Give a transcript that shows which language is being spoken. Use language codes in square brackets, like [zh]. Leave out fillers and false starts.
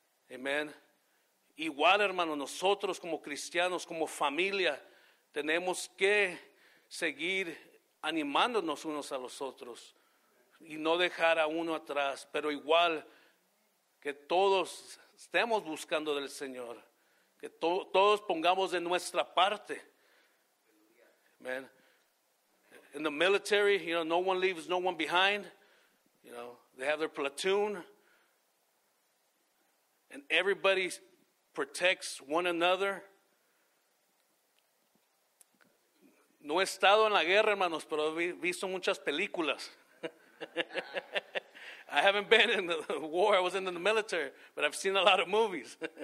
[es] Amen. Igual, hermanos, nosotros como cristianos, como familia, tenemos que seguir animándonos unos a los otros y no dejar a uno atrás, pero igual que todos estemos buscando del Señor, que todos pongamos de nuestra parte. Amen. [en] In the military, you know, no one leaves no one behind. You know, they have their platoon. And everybody protects one another. [es] No he estado en la guerra, hermanos, pero he visto muchas películas. [en] I haven't been in the war. I wasn't in the military, but I've seen a lot of movies.